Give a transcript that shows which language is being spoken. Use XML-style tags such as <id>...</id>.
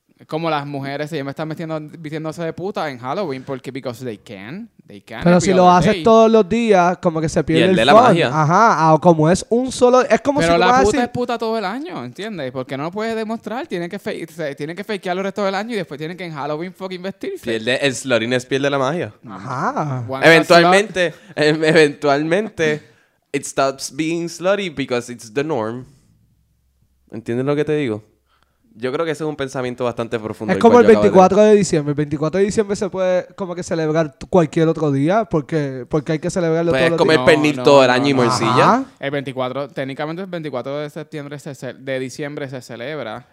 <es>Es como las mujeres, si ya me están vistiéndose de puta en Halloween, porque</es> <en>they can.</en> <es>Pero si lo haces todos los días, como que se pierde el</es> <en>fun.</en> <es>La magia. Ajá, como es un solo... Es como pero si la puta así... es puta todo el año, ¿entiendes? Porque no lo puedes demostrar. Tienen que fakear los restos del año y después tienen que en Halloween fucking vestirse. Pierde el slurriness, pierde la magia. Ajá.</es> <en>Eventualmente, it stops being slutty because it's the norm.</en> <es>¿Entiendes lo que te digo? Yo creo que ese es un pensamiento bastante profundo. Es como el 24 de diciembre. El 24 de diciembre se puede como que celebrar cualquier otro día porque hay que celebrarlo pues todos los días. Es como el pernil todo el año y morcilla. El 24, técnicamente el 24 de septiembre de diciembre se celebra.</es>